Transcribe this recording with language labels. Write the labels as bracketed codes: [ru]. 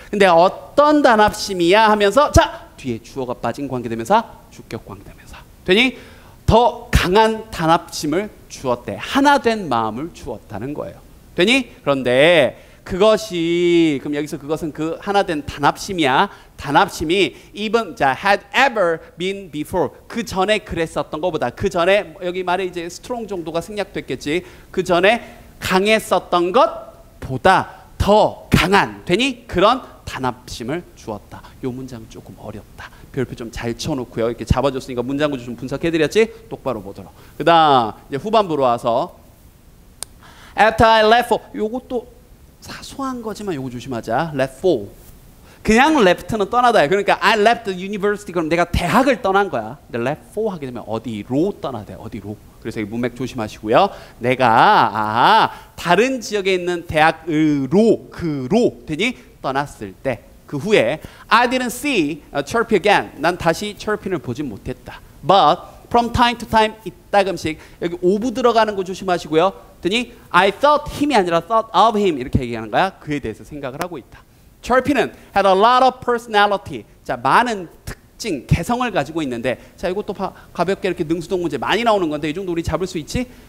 [ko] 근데 어떤 단합심이야 하면서 자, 뒤에 주어가 빠진 관계대명사, 주격 관계대명사. 되니? 더 강한 단합심을 주었대. 하나 된 마음을 주었다는 거예요. 되니? 그런데 그것이 그럼 여기서 그것은 그 하나 된 단합심이야. 단합심이 even, 자, had ever been before. 그 전에 그랬었던 것보다 그 전에 여기 말에 이제 strong 정도가 생략됐겠지. 그 전에 강했었던 것보다 더 강한 되니? 그런 단합심을 주었다. 요 문장 조금 어렵다. 별표 좀 잘 쳐놓고요. 이렇게 잡아줬으니까 문장 구조 좀 분석해드렸지? 똑바로 보도록. 그 다음 이제 후반부로 와서 [en] After I left for [ko] 요것도 사소한 거지만 요거 조심하자. Left for 그냥 left는 떠나다야. [en] 그러니까 I left the university. [ko] 그럼 내가 대학을 떠난 거야. 근데 left for 하게 되면 어디로 떠나대. 어디로. 그래서 이 문맥 조심하시고요. 내가 다른 지역에 있는 대학으로 그로 되니? 떠났을 때 그 후에 [en] I didn't see Chirpy again. [ko] 난 다시 Chirpy를 보지 못했다. [en] But from time to time [ko] 이따금씩 여기 오브 들어가는 거 조심하시고요. 되니? [en] I thought him이 아니라 thought of him [ko] 이렇게 얘기하는 거야. 그에 대해서 생각을 하고 있다. [en] Chirpy는 had a lot of personality. [ko] 자, 많은 특징, 개성을 가지고 있는데 자, 이것도 가볍게 이렇게 능수동 문제 많이 나오는 건데 이 정도 우리 잡을 수 있지?